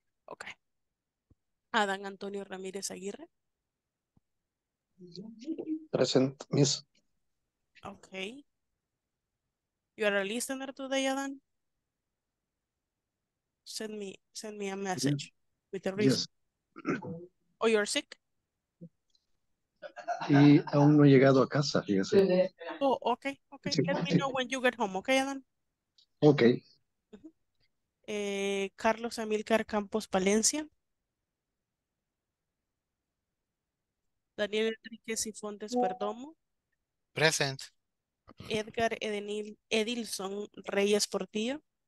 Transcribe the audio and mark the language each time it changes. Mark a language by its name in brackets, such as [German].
[English] Okay. Adán Antonio Ramírez Aguirre. Present, Miss. Okay. You are a listener today, Adán? Send me a message, yeah, with the reason. Yes. Oh, you're sick? [Spanish] Y aún no he llegado a casa, fíjese. [English] Oh, okay, okay. Let me know when you get home, okay, Adán? Okay. Carlos Amilcar Campos Palencia. Daniel Enrique Sifontes Perdomo. Present. Edgar Edilson Reyes Portillo.